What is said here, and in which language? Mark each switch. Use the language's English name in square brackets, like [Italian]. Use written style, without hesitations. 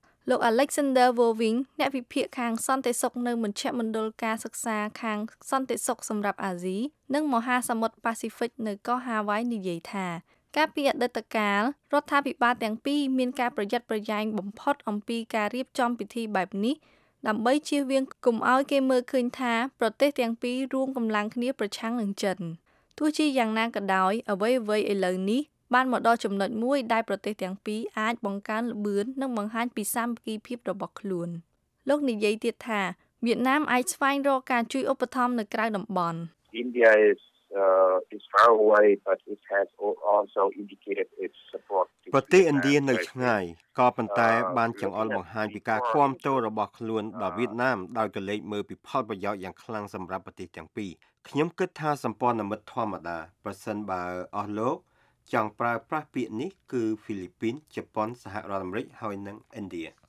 [Khmer] លោក Alexander Woving អ្នកវិភាគខាងសន្តិសុខនៅមជ្ឈមណ្ឌលការសិក្សាខាងសន្តិសុខសម្រាប់អាស៊ីនិងមហាសមុទ្រ Pacific នៅកោះ Hawaii និយាយថាការពីអតីតកាលរដ្ឋាភិបាលទាំងពីរមានការប្រយ័ត្នប្រយែងបំផុតអំពីការរៀបចំពិធីបែបនេះដើម្បីជៀសវាងកុំឲ្យគេមើលឃើញថាប្រទេសទាំងពីររួមកម្លាំងគ្នាប្រឆាំងនឹងចិន ទោះជាយ៉ាងណាក៏ដោយអ្វីៗឥឡូវនេះបានមកដល់ចំណុចមួយដែលប្រទេសទាំងពីរអាចបង្កើនល្បឿននិងបង្ហាញពីសាមគ្គីភាពរបស់ខ្លួនលោកនិយាយទៀតថាវៀតណាមអាចស្វែងរកការជួយឧបត្ថម្ភនៅក្រៅតំបន់ [English] India is far away but it has also indicated its support [Khmer] ប្រទេសឥណ្ឌានៅឆ្ងាយក៏ប៉ុន្តែបានចង្អុលបង្ហាញពីការគាំទ្ររបស់ខ្លួនដល់វៀតណាមដោយកលេចមើលពីផលប្រយោជន៍យ៉ាងខ្លាំងសម្រាប់ប្រទេសទាំងពីរខ្ញុំគិតថាសម្ព័ន្ធមិត្តធម្មតាប្រសិនបើអស់លោកចង់ប្រើប្រាស់ពាក្យនេះគឺហ្វីលីពីនជប៉ុនសហរដ្ឋអាមេរិកហើយនិងឥណ្ឌា